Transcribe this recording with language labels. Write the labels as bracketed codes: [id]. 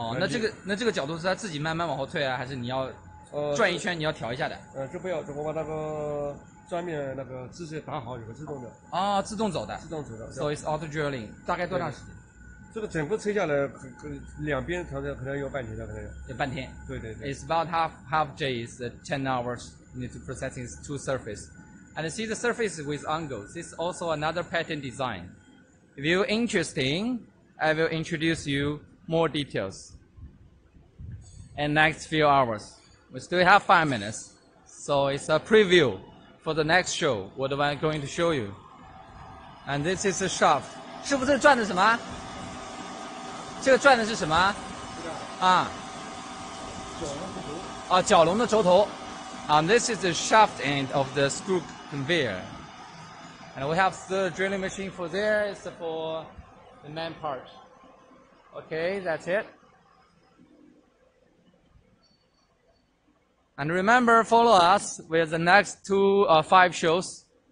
[zh] 那这个角度是它自己慢慢往后退啊还是你要转一圈你要调一下的这不要我把那个专面那个机械打好有个自动的自动走的自动走的 [en] so it's auto drilling [zh] 大概多长时间这个整个车下来两边调整可能有半天的可能有半天对对对 [en] it's about half days 10 hours need to process its two surface and see the surface with angles this is also another pattern design if you're interesting I will introduce you more details and next few hours we still have 5 minutes so it's a preview for the next show what am I going to show you and this is a shaft [zh] 是不是转的什么这个转的是什么角龙的轴头 [en] This is the shaft end of the screw conveyor. And we have the drilling machine for there, it's for the main part. Okay, that's it. And remember, follow us with the next 2 or 5 shows.